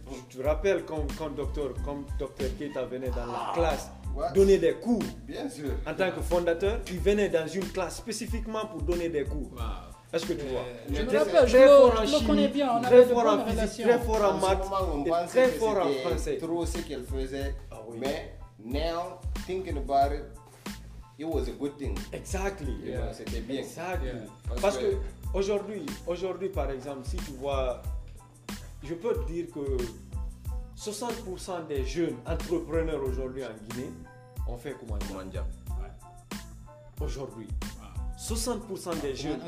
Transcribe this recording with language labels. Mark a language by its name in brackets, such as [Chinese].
[French] Tu te rappelles quand Dr Keïta venait dans la classe donner des cours. Bien sûr. En tant que fondateur, il venait dans une classe spécifiquement pour donner des cours. Waouh. Est-ce que tu vois? Je me rappelle, je le connais bien. Très fort en maths, très fort en français. Trop ce qu'elle faisait. Ah oui. Mais [English] now, thinking about it, it was a good thing. Exactly. Yeah. Yeah. [French] C'était bien. [English] Exactly. Yeah. [French] Parce qu'aujourd'hui, par exemple, si tu vois, je peux te dire que 60% des jeunes entrepreneurs aujourd'hui en Guinée ont fait Koumandian. Aujourd'hui. 60% des jeunes.